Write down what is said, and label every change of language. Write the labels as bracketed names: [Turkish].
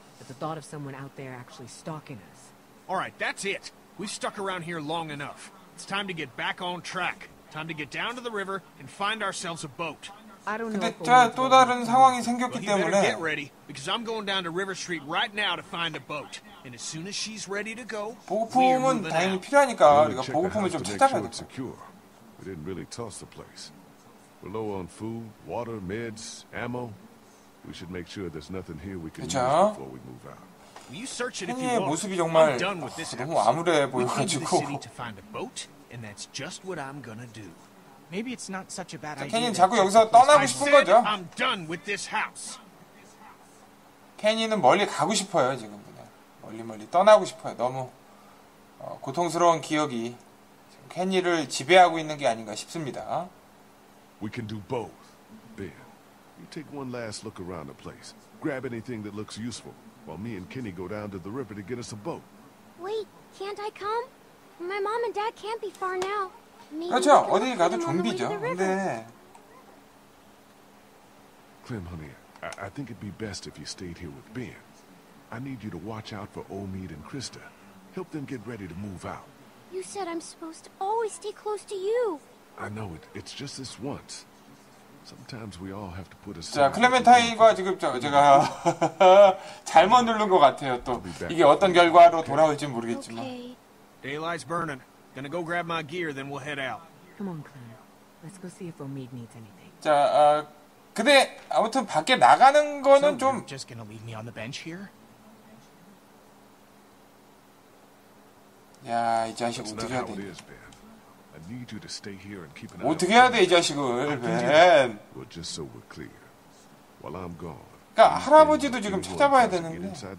[English] But the thought of someone out there actually stalking us. All right, that's it. We stuck around here long enough. It's time to get back on track. Time to get down to the river and find ourselves a boat. [Korean] 근데 자, 또 다른 상황이 생겼기 때문에 [English] get ready because I'm going down to River Street right now to find a boat. And as soon as she's ready to go. [Korean] 보급품은 당연히 필요하니까 우리가 보급품을 좀 찾아야 돼. [English] We didn't really toss the place. We're low on food, water, meds, ammo. We should make sure there's nothing here we can use before we move out. You search it if you want. [Korean] 이게 모습이 정말 너무 암울해 보여 가지고. [English] We need to find a boat and that's just what I'm gonna do. Maybe it's not such a bad idea. [Korean] 케니는 자꾸 여기서 떠나고 싶은 거죠. [English] I'm done with this house. [Korean] 케니는 멀리 가고 싶어요, 지금 그냥. 멀리 떠나고 싶어요. 너무 고통스러운 기억이 케니를 지배하고 있는 게 아닌가 싶습니다. [English] We can do both. Ben, you take one last look around the place. Grab anything that looks useful while me and Kenny go down to the river to get us a boat. Wait, can't I come? My mom and dad can't be far now. [Korean] 그렇죠. 어디 가도 좀비죠. 근데 [English] Clem, honey, I think it'd be best if you stayed here with Ben. I need you to watch out for Omid and Krista. Help them get ready to move out. You said I'm supposed to always stay close to you. I know it. It's just this once. Sometimes we all have to put aside. [Korean] 자, 클레멘타인과 지금 제가 잘못 누른 것 같아요. 또 이게 어떤 결과로 돌아올지 모르겠지만. [English] Daylight's burning. Gonna go grab my gear, then we'll head out. Come on, Clem. Let's go see if Omid needs anything. [Korean] 자, 근데 아무튼 밖에 나가는 거는 좀. [English] So just gonna leave me on the bench here? [Korean] 야, 이 자식 어떻게 해야 돼? [English] I need you to stay here and keep an eye. [Korean] 어떻게 해야 돼 이 자식을, 벤? [English] Well, just so we're clear, while I'm gone. [Korean] 그러니까 할아버지도 지금 찾아봐야 되는데.